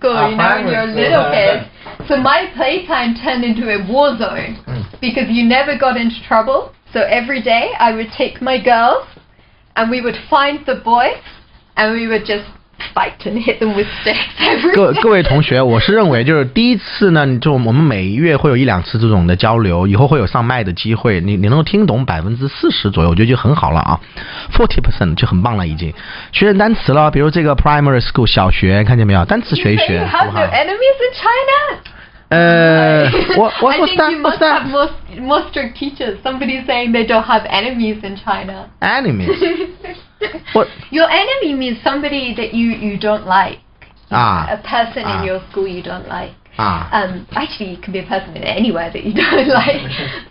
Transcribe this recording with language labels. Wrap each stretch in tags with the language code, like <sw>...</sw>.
<en>My playtime turned into a war zone because you never got into trouble. So every day I would take my girls and we would find the boys and we would just fight and hit them with sticks every day.</en> <zh>各位同学，我是认为就是第一次呢，就我们每一月会有一两次这种的交流，以后会有上麦的机会，你能够听懂40%左右，我觉得就很好了啊， 40% 就很棒了，已经学点单词了，比如这个 primary school 小学，看见没有，单词学一学。</zh> <en>You have no enemies in China? What's that? I think you must have more strict teachers. Somebody saying they don't have enemies in China. Enemies? What? Your enemy means somebody that you don't like. A person in your school you don't like. Actually, it can be a person in anywhere that you don't like.</en>